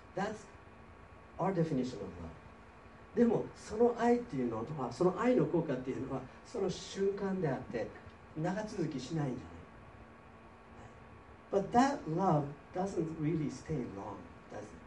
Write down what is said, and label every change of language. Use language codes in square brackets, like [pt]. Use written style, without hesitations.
[en] That'sOur definition of love. [ja] でもその愛っていうのとは、その愛の効果っていうのはその瞬間であって長続きしないんじゃない。 [en] But that love doesn't really stay long, does it?